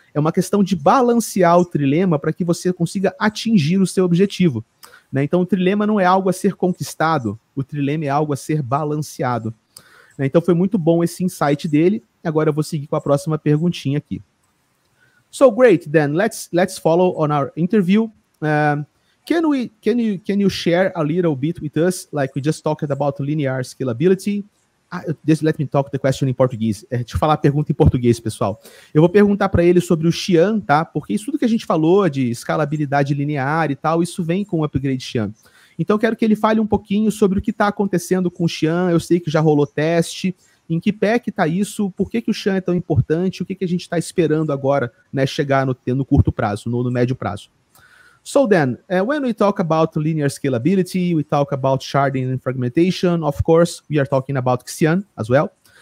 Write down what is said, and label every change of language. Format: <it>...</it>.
<pt>É uma questão de balancear o trilema para que você consiga atingir o seu objetivo. Né? Então, o trilema não é algo a ser conquistado. O trilema é algo a ser balanceado. Né? Então, foi muito bom esse insight dele. Agora, eu vou seguir com a próxima perguntinha aqui.</pt> <en>So, great, then. Let's follow on our interview. Can you share a little bit with us, like we just talked about linear scalability? Let me talk the question in Portuguese.</en> <pt>Deixa eu falar a pergunta em português, pessoal. Eu vou perguntar para ele sobre o Xian, tá? Porque isso tudo que a gente falou de escalabilidade linear e tal, isso vem com o upgrade Xian. Então, eu quero que ele fale um pouquinho sobre o que está acontecendo com o Xian. Eu sei que já rolou teste. Em que pé que está isso? Por que que o Xian é tão importante? O que que a gente está esperando agora, né, chegar no curto prazo, no médio prazo?</pt> <en>So then, when we talk about linear scalability, we talk about sharding and fragmentation, of course, we are talking about Xian as well.</en>